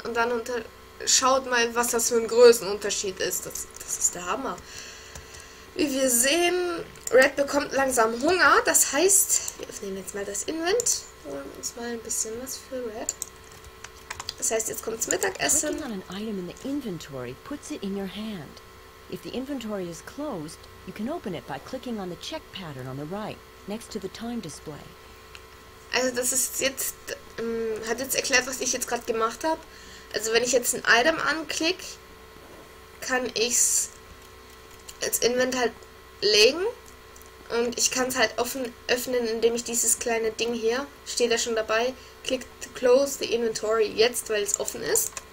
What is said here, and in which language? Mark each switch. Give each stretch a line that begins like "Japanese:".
German: Und dann schaut mal, was das für ein Größenunterschied ist. Das ist der Hammer. Wie wir sehen, Red bekommt langsam Hunger. Das heißt, wir öffnen jetzt mal das Invent. Holen uns mal ein bisschen was für Red. Das heißt, jetzt kommt's Mittagessen.
English: Clicking on an item in the inventory puts it in your hand. If the inventory is closed, you can open it by clicking on the check pattern on the right. Next to the time display.
German: Also das ist jetzt, hat jetzt erklärt, was ich jetzt gerade gemacht habe. Also wenn ich jetzt ein Item anklicke, kann ich es als Invent halt legen. Und ich kann es halt offen öffnen, indem ich dieses kleine Ding hier, steht da schon dabei, klickt
English: close the inventory
German: jetzt, weil es offen ist.